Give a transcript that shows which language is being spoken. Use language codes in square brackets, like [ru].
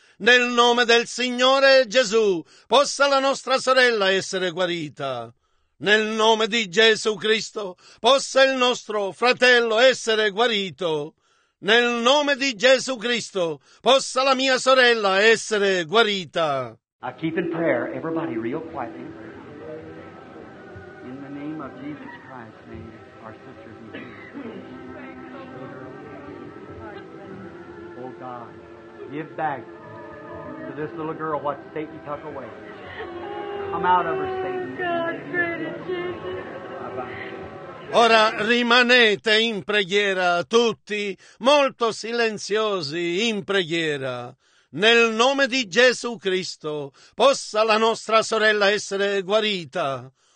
[it] Nel nome del Signore Gesù, possa la nostra sorella essere guarita. Nel nome di Gesù Cristo, possa il nostro fratello essere guarito. Nel nome di Gesù Cristo, possa la mia sorella essere guarita. [en] I keep in prayer, everybody real quietly. In the name of Jesus Christ, may our sister be healed. Oh God, give back to this little girl what Satan took away. Come out of her, Satan. God, greater Jesus. [it] Ora rimanete in preghiera tutti, molto silenziosi in preghiera. Nel nome di Gesù Cristo, possa la nostra sorella essere guarita.